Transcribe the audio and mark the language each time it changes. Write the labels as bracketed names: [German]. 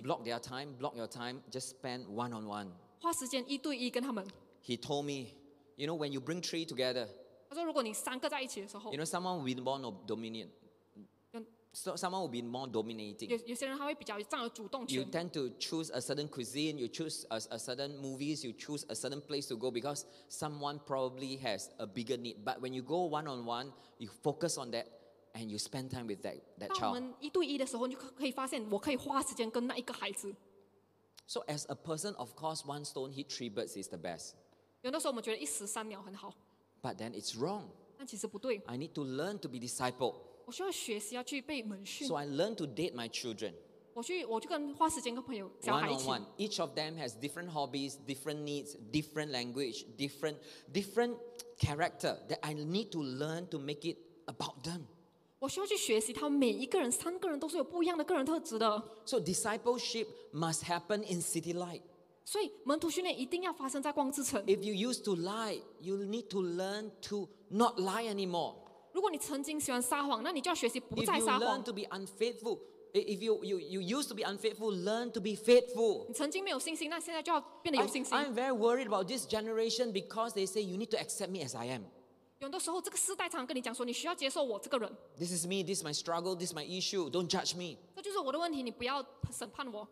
[English] Block their time, block your time, just spend one on one. [Chinese] 花时间一对一跟他们。 [English] He told me, you know, when you bring three together. [Chinese] 他说，如果你三个在一起的时候。 [English] You know, someone will be more dominant. So someone will be more dominating. [Chinese] 有些人他会比较占有主动权。 [English] You tend to choose a certain cuisine, you choose a certain movies, you choose a certain place to go because someone probably has a bigger need. But when you go one-on-one, you focus on that and you spend time with that child. [Chinese] 当我们一对一的时候，你可以发现我可以花时间跟那一个孩子。 [English] So as a person, of course, one stone hit three birds is the best. [Chinese] 有的时候我们觉得一石三鸟很好。 [English] But then it's wrong. [Chinese] 但其实不对。 [English] I need to learn to be discipled. So I learned to date my children. One-on-one. Each of them has different hobbies, different needs, different language, different character that I need to learn to make it about them. So discipleship must happen in City Light. [Chinese] 所以门徒训练一定要发生在光之城。 [English] If you used to lie, you need to learn to not lie anymore. [Chinese] 如果你曾经喜欢撒谎, 那你就要学习不再撒谎。 [English] If you learn to be unfaithful, if you used to be unfaithful, learn to be faithful. [Chinese] 你曾经没有信心, 那现在就要变得有信心。 [English] I'm very worried about this generation because they say you need to accept me as I am. [Chinese] 有的时候这个世代常跟你讲说, 你需要接受我这个人。 [English] This is me, this is my struggle, this is my issue, don't judge me. [Chinese] 这就是我的问题, 你不要审判我。